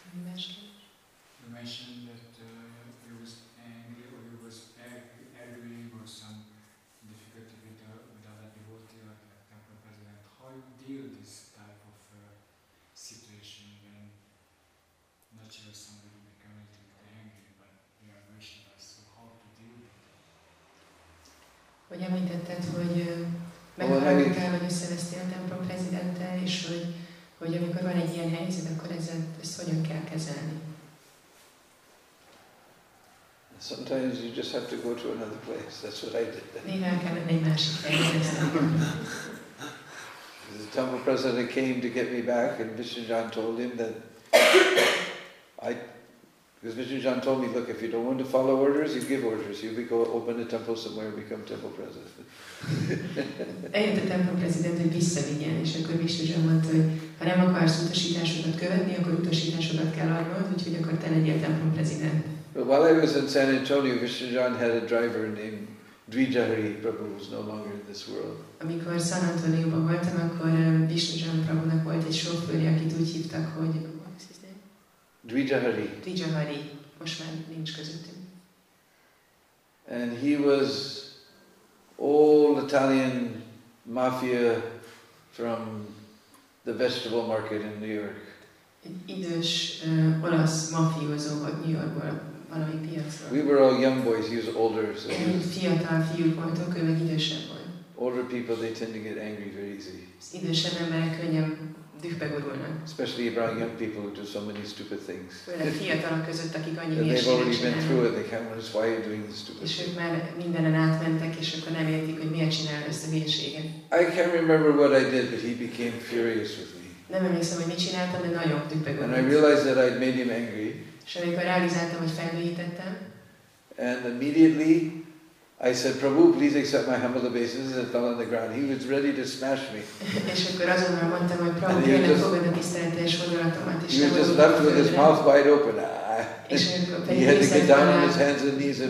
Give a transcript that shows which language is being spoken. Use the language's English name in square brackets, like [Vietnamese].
[English] You mentioned that you was angry or you was arguing or some difficulty with other devotee or the temple president. How you deal with this type of situation when not sure somebody in the community is angry, but they are Vaishnava, so how to deal with it? [Hungarian] Hogy említetted, hogy megharagudtál, hogy összevesztél a temple presidenttel, és hogy hogy amikor van egy ilyen helyzet, akkor ezt hogyan kell kezelni? [English] Sometimes you just have to go to another place. That's what I did. [Hungarian] Néha kellene egy másik helyzet. [English] The temple president came to get me back, and Vishnujan told him that because Vishnujan told me, look, if you don't want to follow orders, you give orders. You go open a temple somewhere and become temple president. [Hungarian] Eljött a temple president, hogy visszavigyen, és akkor Vishnujan mondta, hogy ha nem akarsz utasításokat követni, akkor utasításokat kell adnod, úgyhogy akkor te legyél temple president. [English] But while I was in San Antonio, Vishnujan had a driver named Dvijahari Prabhu, who was no longer in this world. [Hungarian] Amikor San Antonióban voltam, akkor Vishnujan Prabhunak volt egy sofőrje, akit úgy hívtak, hogy Dvijahari. Dvijahari. Most már nincs közöttünk. [English] And he was old Italian mafia from the vegetable market in New York. [Hungarian] Idős olasz mafiózó volt New Yorkból valami piacról. [English] We were all young boys. He was older. So [Hungarian] fiatal fiúk voltunk, ő meg idősebb volt. [English] Older people, they tend to get angry very easy. [Hungarian] Idősebb emberek könnyen dühbe gurulnak. [English] Especially around young people who do so many stupid things. [Hungarian] Főleg fiatalok között, akik annyi hülyeséget csinálnak. [English] They've already been through it. They can't understand why you're doing these stupid things. [Hungarian] És ők már mindenen átmentek, és akkor nem értik, hogy miért csinálod ezt a hülyeséget. [English] I can't remember what I did, but he became furious with me. [Hungarian] Nem emlékszem, hogy mit csináltam, de nagyon dühbe gurult. [English] And I realized that I'd made him angry. [Hungarian] És amikor realizáltam, hogy felhülyítettem. [English] And immediately I said, Prabhu, please accept my humble obeisances, and fell on the ground. He was ready to smash me. And he was just left with his mouth wide open. He had to get down on his hands and knees and